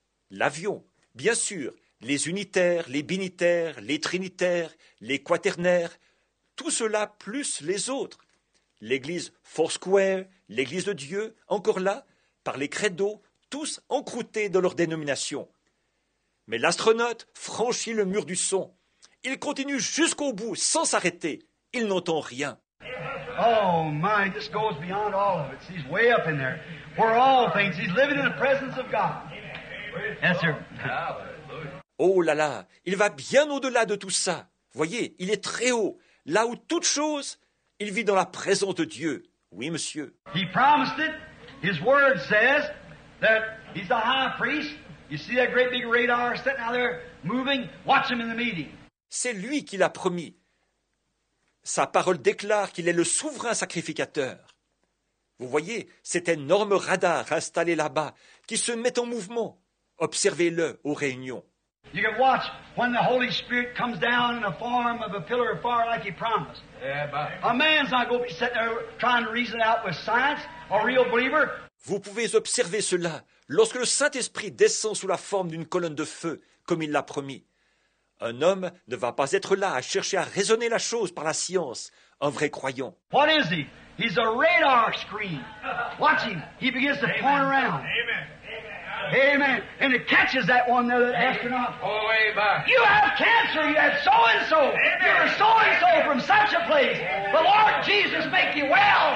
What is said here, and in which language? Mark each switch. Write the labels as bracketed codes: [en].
[fr] L'avion, bien sûr, les unitaires, les binitaires, les trinitaires, les quaternaires, tout cela plus les autres. L'église four-square, l'église de Dieu, encore là, par les credos, tous encroutés dans leur dénomination. Mais l'astronaute franchit le mur du son. Il continue jusqu'au bout, sans s'arrêter. Il n'entend rien. [en] Oh my, this goes beyond all of it. He's way up in there. For all things, he's living in the presence of God. Yes, sir. [fr] Oh là là, il va bien au-delà de tout ça. Voyez, il est très haut. Là où toute chose, il vit dans la présence de Dieu. Oui, monsieur. [en] He promised it. His word says that he's the high priest. You see that great big radar sitting out there moving? Watch him in the meeting. [fr] C'est lui qui l'a promis. Sa parole déclare qu'il est le souverain sacrificateur. Vous voyez cet énorme radar installé là-bas qui se met en mouvement. Observez-le aux réunions. [en] You can watch when the Holy Spirit comes down in the form of a pillar of fire like he promised. A man's not going to be sitting there trying to reason out with science, a real believer. [fr] Vous pouvez observer cela lorsque le Saint-Esprit descend sous la forme d'une colonne de feu, comme il l'a promis. Un homme ne va pas être là à chercher à raisonner la chose par la science, un vrai croyant. [en] What is he? He's a radar screen. Watch him. He begins to point around. Amen. And it catches that one there, that astronaut. Oh, amen. You have cancer. You have so-and-so. Amen. You're so-and-so from such a place. Amen. The Lord Jesus make you well.